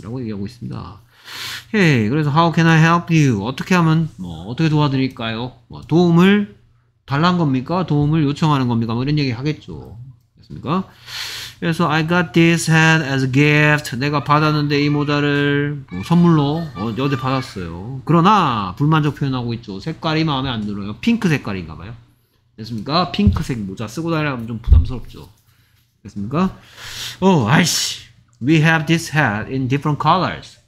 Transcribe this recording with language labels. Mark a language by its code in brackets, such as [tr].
[ko] 라고 얘기하고 있습니다. [en] Hey, [ko] 그래서 [en] how can I help you? [ko] 어떻게 하면, 뭐, 어떻게 도와드릴까요? 뭐, 도움을? 달란 겁니까? 도움을 요청하는 겁니까? 뭐 이런 얘기 하겠죠. 됐습니까? 그래서 [en] I got this hat as a gift. [ko] 내가 받았는데 이 모자를 뭐 선물로 어제 받았어요. 그러나 불만족 표현하고 있죠. 색깔이 마음에 안 들어요. 핑크 색깔인가 봐요. 됐습니까? 핑크색 모자 쓰고 다니면 좀 부담스럽죠. 됐습니까? [en] Oh, I see. We have this hat in different colors.